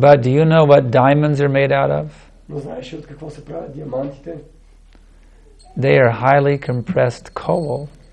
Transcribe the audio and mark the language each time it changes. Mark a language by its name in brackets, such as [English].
[English] But do you know what diamonds are made out of? [Bulgarian] Но знаеш ли от какво се правят диамантите? [English] They are highly compressed coal.